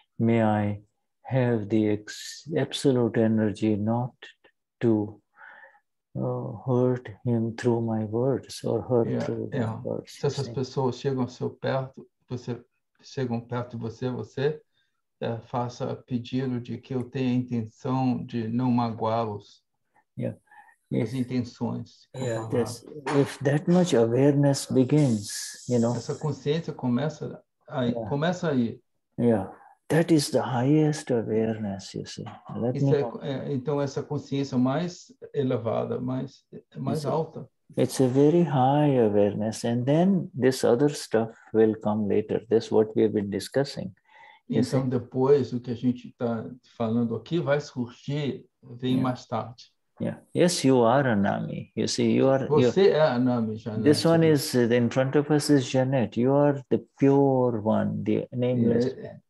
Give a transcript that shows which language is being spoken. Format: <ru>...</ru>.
<en>May I have the absolute energy not to hurt him through my words or hurt through my words.</en> <pt>Se essas pessoas chegam seu perto, você chegam perto de você, você faça pedido de que eu tenha a intenção de não magoá-los. As intenções.</pt> <en>If that much awareness begins, you know.</en> <pt>Essa consciência começa aí. Começa aí.</pt> <en>Yeah. That is the highest awareness, you see.</en> <pt>Então, essa consciência mais elevada, mais alta.</pt> <en>It's a very high awareness. And then this other stuff will come later. That's what we have been discussing.</en> <pt>Então, depois, o que a gente está falando aqui vai surgir, vem mais tarde.</pt> <en>Yeah. Yes, you are Anami. You see, you are...</en> <pt>Você é Anami, Janet.</pt> <en>This one is, in front of us is Janet. You are the pure one, the nameless one.</en>